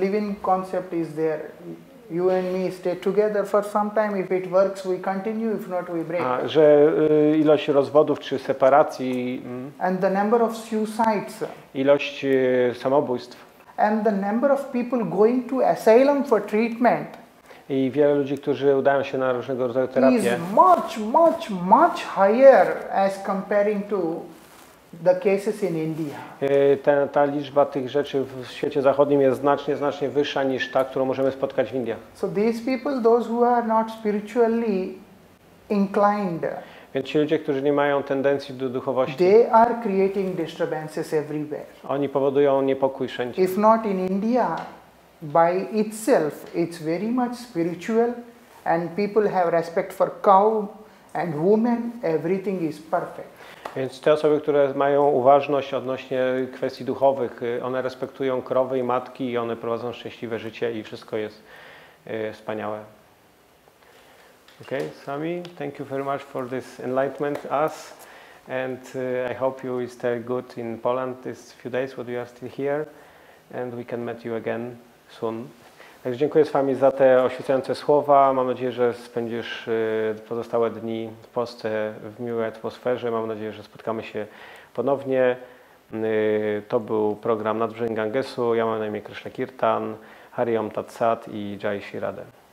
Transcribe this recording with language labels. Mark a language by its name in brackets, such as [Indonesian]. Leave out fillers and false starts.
[English] Live-in concept is there. You and me stay together for some time. If it works, we continue. If not, we break. [Polish] Że ilość rozwodów czy separacji. [English] And the number of suicides. [Polish] Ilość samobójstw. [English] And the number of people going to asylum for treatment. [Polish] I wiele ludzi, którzy udają się na różnego rodzaju terapie. [English] Is much higher as comparing to the cases in India. [Polish] Ta liczba tych rzeczy w świecie zachodnim jest znacznie wyższa niż ta, którą możemy spotkać w Indiach. [English] So these people, those who are not spiritually inclined. [Polish] Więc ci ludzie, którzy nie mają tendencji do duchowości. [English] They are creating disturbances everywhere. [Polish] Oni powodują niepokój wszędzie. [English] If not in India, by itself, it's very much spiritual, and people have respect for cow and woman. Everything is perfect. [Polish] Więc te osoby, które mają uważność odnośnie kwestii duchowych, one respektują krowy i matki i one prowadzą szczęśliwe życie i wszystko jest wspaniałe. [English] Okay, Sami, thank you very much for this enlightenment us. And I hope you stay good in Poland this few days while you are still here. And we can meet you again soon. [Polish] Także dziękuję Sami za te oświecające słowa. Mam nadzieję, że spędzisz pozostałe dni w Polsce w miłej atmosferze. Mam nadzieję, że spotkamy się ponownie. To był program Nadbrzeżnik Gangesu. Ja mam na imię Krishnakirtan, Hari Om Tat Sat i Jai Shri Radhe.